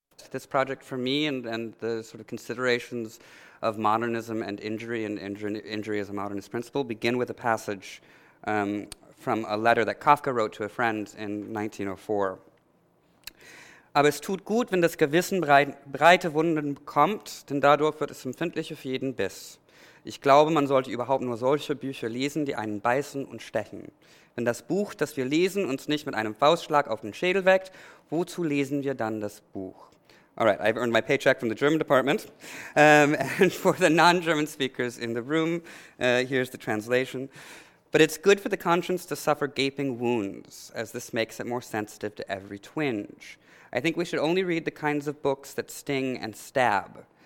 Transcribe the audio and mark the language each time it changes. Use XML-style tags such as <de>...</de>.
<en>This project for me and the sort of considerations of modernism and injury and injury as a modernist principle begin with a passage from a letter that Kafka wrote to a friend in 1904.</en> <de>Aber es tut gut, wenn das Gewissen breite Wunden bekommt, denn dadurch wird es empfindlicher für jeden Biss. Ich glaube, man sollte überhaupt nur solche Bücher lesen, die einen beißen und stechen. Wenn das Buch, das wir lesen, uns nicht mit einem Faustschlag auf den Schädel weckt, wozu lesen wir dann das Buch?</de> <en>All right, I've earned my paycheck from the German department. And for the non-German speakers in the room, here's the translation. But it's good for the conscience to suffer gaping wounds, as this makes it more sensitive to every twinge. I think we should only read the kinds of books that sting and stab.</en>